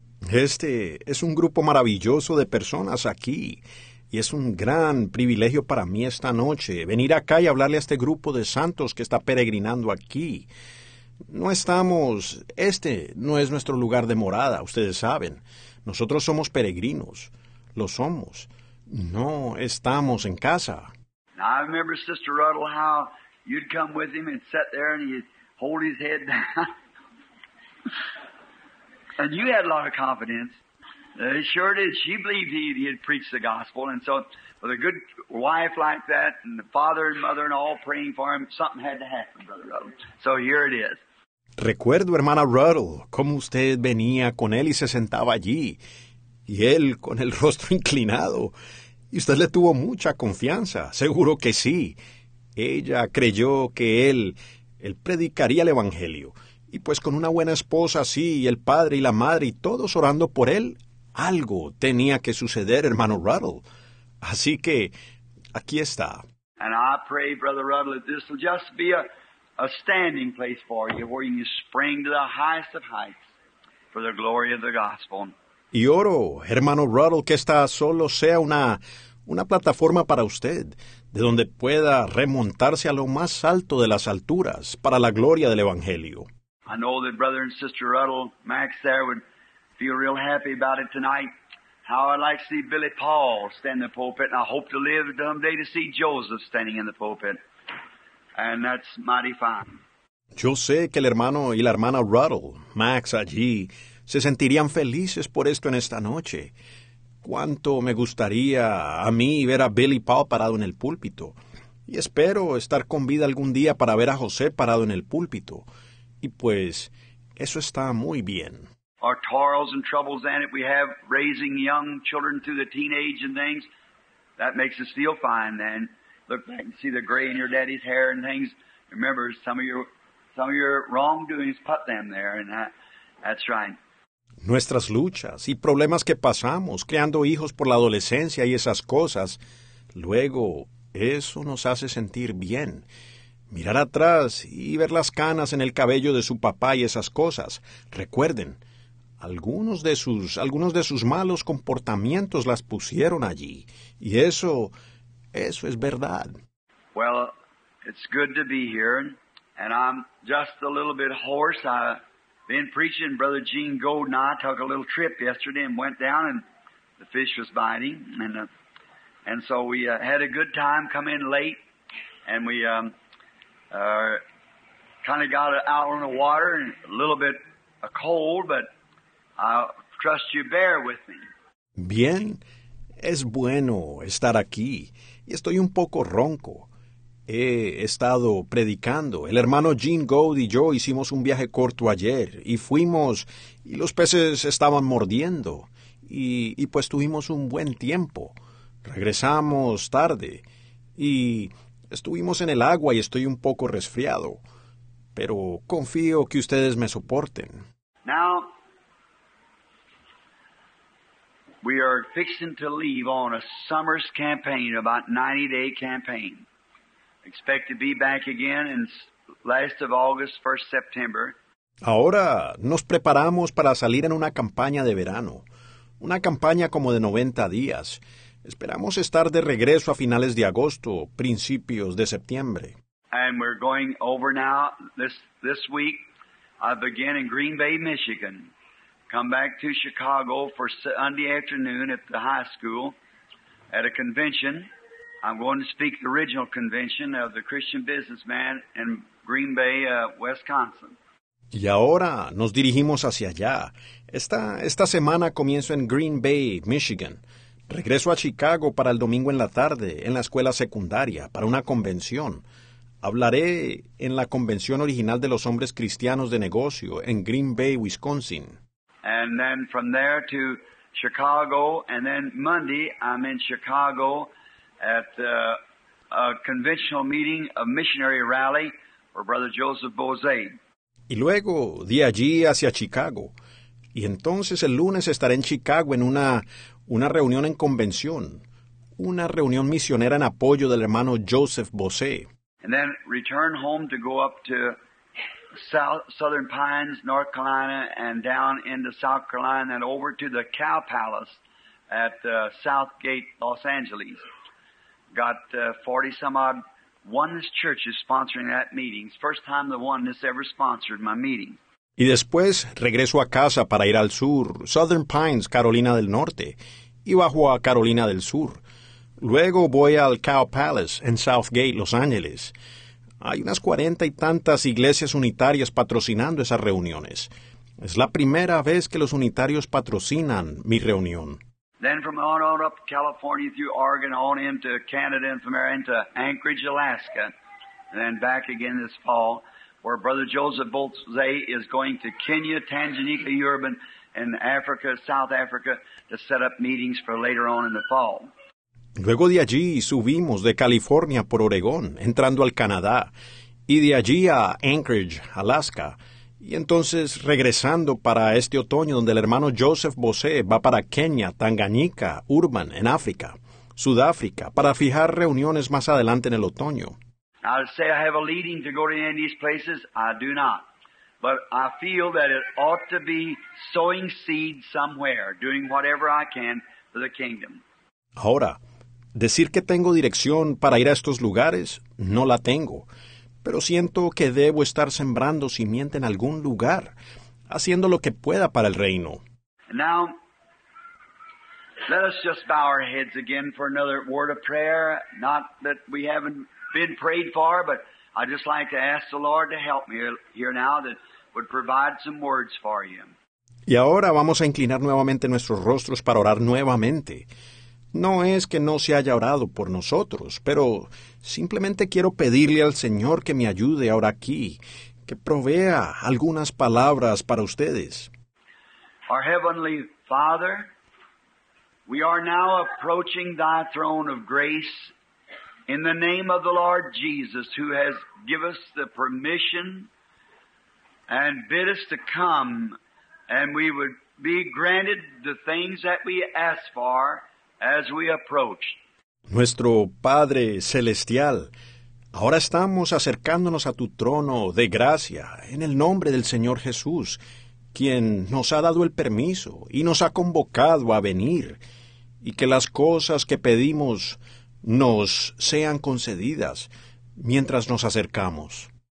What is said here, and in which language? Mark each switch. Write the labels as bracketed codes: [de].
[es] Este es un grupo maravilloso de personas aquí, y es un gran privilegio para mí esta noche venir acá y hablarle a este grupo de santos que está peregrinando aquí. No estamos, este no es nuestro lugar de morada, ustedes saben. Nosotros somos peregrinos. Lo somos. No estamos en casa. [en] I remember Sister Ruddle how you'd come with him and sit there and he'd hold his head down. And you had a lot of confidence. Sure did. She believed he'd preach the gospel. And so with a good wife like that and the father and mother and all praying for him, something had to happen, Brother Ruddle. So here it is. [es] Recuerdo, hermana Ruddle, cómo usted venía con él y se sentaba allí. Y él con el rostro inclinado. Y usted le tuvo mucha confianza. Seguro que sí. Ella creyó que él predicaría el evangelio. Y pues con una buena esposa así, y el padre y la madre y todos orando por él, algo tenía que suceder, hermano Ruddle. Así que aquí está. [en] And I pray, Brother Ruddle, that this will just be a standing place for you, where you spring to the highest of heights for the glory of the gospel. [es] Y oro, hermano Ruddle, que esta solo sea una plataforma para usted, de donde pueda remontarse a lo más alto de las alturas para la gloria del evangelio. [en] I know that Brother and Sister Ruddle, Max there, would feel real happy about it tonight. How I'd like to see Billy Paul stand in the pulpit, and I hope to live someday to see Joseph standing in the pulpit. And that's mighty fine. [es] Yo sé que el hermano y la hermana Ruddle, Max allí, se sentirían felices por esto en esta noche. Cuánto me gustaría a mí ver a Billy Paul parado en el púlpito. Y espero estar con vida algún día para ver a José parado en el púlpito. Y pues, eso está muy bien. [en] Our toils and troubles and it we have raising young children through the teenage and things, that makes us feel fine then. Look back and see the gray in your daddy's hair and things. Remember, some of your wrongdoings put them there, and that's right. [es] Nuestras luchas y problemas que pasamos creando hijos por la adolescencia y esas cosas, luego, eso nos hace sentir bien. Mirar atrás y ver las canas en el cabello de su papá y esas cosas. Recuerden, algunos de sus malos comportamientos las pusieron allí. Y eso es verdad. [en] Well, it's good to be here, and I'm just a little bit hoarse. I've been preaching, Brother Gene Gold and I took a little trip yesterday and went down, and the fish was biting, and so we had a good time, come in late, and we kind of got out on the water, and a little bit a cold, but I trust you bear with me. [es] Bien, es bueno estar aquí, y estoy un poco ronco. He estado predicando. El hermano Gene Gould y yo hicimos un viaje corto ayer y fuimos y los peces estaban mordiendo y pues tuvimos un buen tiempo. Regresamos tarde y estuvimos en el agua y estoy un poco resfriado, pero confío que ustedes me soporten. [en] Now, we are fixing to leave on a summer's campaign, about 90-day campaign. Expect to be back again in last of August, first September. [es] Ahora nos preparamos para salir en una campaña de verano, una campaña como de 90 días. Esperamos estar de regreso a finales de agosto, principios de septiembre. [en] And we're going over now this week. I begin in Green Bay, Michigan. Come back to Chicago for Sunday afternoon at the high school at a convention. I'm going to speak the original convention of the Christian businessman in Green Bay, Wisconsin. [es] Y ahora nos dirigimos hacia allá. Esta semana comienzo en Green Bay, Michigan. Regreso a Chicago para el domingo en la tarde en la escuela secundaria para una convención. Hablaré en la convención original de los hombres cristianos de negocio en Green Bay, Wisconsin. [en] And then from there to Chicago, and then Monday I'm in Chicago at a conventional meeting of missionary rally for Brother Joseph Bozay. [es] Y luego de allí hacia Chicago. Y entonces el lunes estaré en Chicago en una reunión en convención, una reunión misionera en apoyo del hermano Joseph Bozay. [en] And then return home to go up to Southern Pines, North Carolina, and down into South Carolina, and over to the Cow Palace at Southgate, Los Angeles. Got 40 some odd oneness churches sponsoring that meeting. First time the oneness ever sponsored my meeting. [es] Y después regreso a casa para ir al sur, Southern Pines, Carolina del Norte, y bajo a Carolina del Sur. Luego voy al Cow Palace en Southgate, Los Ángeles. Hay unas 40 y tantas iglesias unitarias patrocinando esas reuniones. Es la primera vez que los unitarios patrocinan mi reunión. [en] Then from on up California through Oregon on into Canada and from there into Anchorage, Alaska, and then back again this fall, where Brother Joseph Bozay is going to Kenya, Tanganyika, Yoruba, and Africa, South Africa, to set up meetings for later on in the fall. [es] Luego de allí subimos de California por Oregón, entrando al Canadá, y de allí a Anchorage, Alaska. Y entonces, regresando para este otoño, donde el hermano Joseph Bozay va para Kenia, Tanganyika, Urban, en África, Sudáfrica, para fijar reuniones más adelante en el otoño. [en] I'll say I have a leading to go to any of these places. I do not. But I feel that it ought to be sowing seed somewhere, doing whatever I can for the kingdom. [es] Ahora, decir que tengo dirección para ir a estos lugares, no la tengo. Pero siento que debo estar sembrando simiente en algún lugar, haciendo lo que pueda para el reino. [en] Now, let us just bow our heads again for another word of prayer. Not that we haven't been prayed for, but I'd just like to ask the Lord to help me here now that would provide some words for you. [es] Y ahora vamos a inclinar nuevamente nuestros rostros para orar nuevamente. No es que no se haya orado por nosotros, pero simplemente quiero pedirle al Señor que me ayude ahora aquí, que provea algunas palabras para ustedes. [en] Our Heavenly Father, we are now approaching Thy throne of grace in the name of the Lord Jesus, who has given us the permission and bid us to come, and we would be granted the things that we ask for. As we approach. [es] Nuestro Padre Celestial, Ahora estamos acercándonos a tu trono de gracia, en el nombre del Señor Jesús, quien nos ha dado el permiso y nos ha convocado a venir, y que las cosas que pedimos nos sean concedidas mientras nos acercamos.